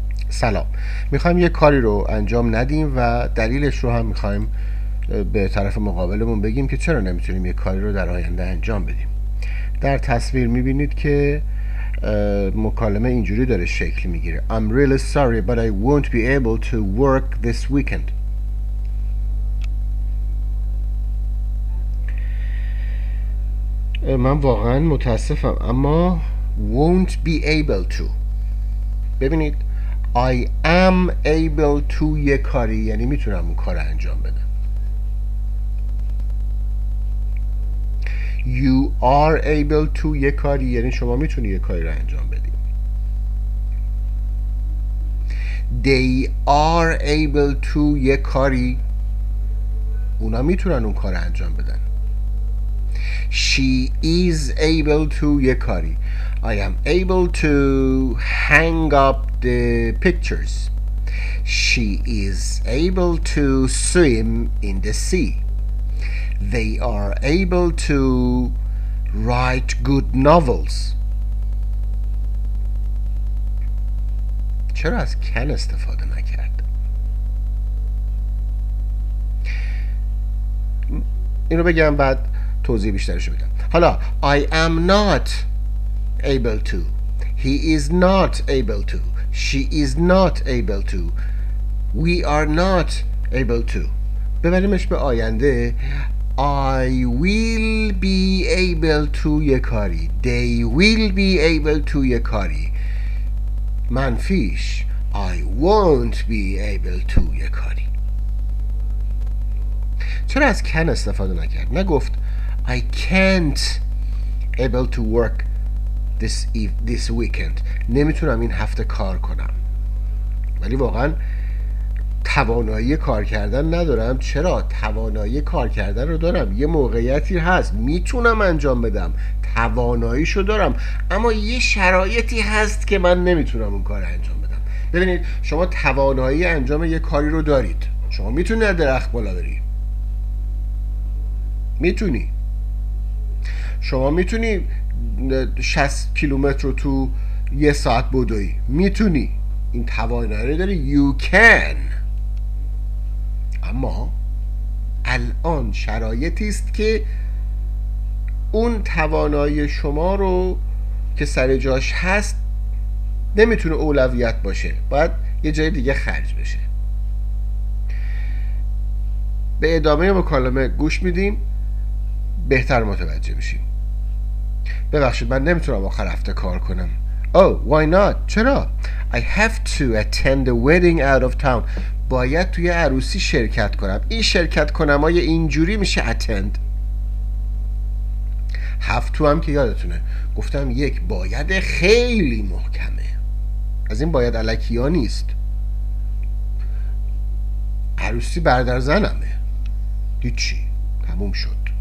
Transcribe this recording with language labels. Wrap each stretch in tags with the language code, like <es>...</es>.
<fa>سلام، میخوایم یه کاری رو انجام ندیم و دلیلش رو هم میخوایم به طرف مقابلمون بگیم که چرا نمیتونیم یه کاری رو در آینده انجام بدیم. در تصویر میبینید که مکالمه اینجوری داره شکل میگیره:</fa> <en>I'm really sorry but I won't be able to work this weekend.</en> <fa>من واقعا متاسفم اما</fa> <en>won't be able to.</en> <fa>ببینید</fa> <en>I am able to</en> <fa>یه کاری، یعنی میتونم اون کار انجام بدم.</fa> <en>You are able to</en> <fa>یه کاری، یعنی شما میتونی یه کاری رو انجام بدی.</fa> <en>They are able to</en> <fa>یه کاری، اونا میتونن اون کار انجام بدن.</fa> <en>She is able to</en> <fa>یه کاری.</fa> <en>I am able to hang up the pictures. She is able to swim in the sea. They are able to write good novels.</en> <fa>چرا از can استفاده نکرد؟ اینو بگم بعد توضیح بیشترش رو بگم. حالا</fa> <en>I am not able to. He is not able to. She is not able to. We are not able to.</en> <fa>ببریمش به آینده.</fa> <en>I will be able to</en> <fa>یه کاری.</fa> <en>They will be able to</en> <fa>یه کاری. منفیش.</fa> <en>I won't be able to</en> <fa>یه کاری. چرا از can استفاده نکرد؟ نگفت</fa> <en>I can't able to work this weekend.</en> <fa>نمیتونم این هفته کار کنم. ولی واقعا توانایی کار کردن ندارم. چرا؟ توانایی کار کردن رو دارم. یه موقعیتی هست میتونم انجام بدم، تواناییشو دارم، اما یه شرایطی هست که من نمیتونم اون کار انجام بدم. ببینید شما توانایی انجام یه کاری رو دارید. شما میتونی درخت بالا بری، میتونی، شما میتونی 60 کیلومتر رو تو یه ساعت بدوی، میتونی، این توانایی رو داری،</fa> <en>you can.</en> <fa>اما الان شرایطی است که اون توانایی شما رو که سر جاش هست نمیتونه اولویت باشه، باید یه جای دیگه خرج بشه. به ادامه مکالمه گوش میدیم بهتر متوجه میشیم. ببخشید من نمیتونم آخر هفته کار کنم.</fa> <en>Oh, why not؟</en> <fa>چرا؟</fa> <en>I have to attend a wedding out of town.</en> <fa>باید توی عروسی شرکت کنم. این شرکت کنم های اینجوری میشه attend.</fa> <en>Have to</en> <fa>هم که یادتونه گفتم یک باید خیلی محکمه، از این باید الکی ها نیست. عروسی برادر زنمه، هیچی، تموم شد.</fa>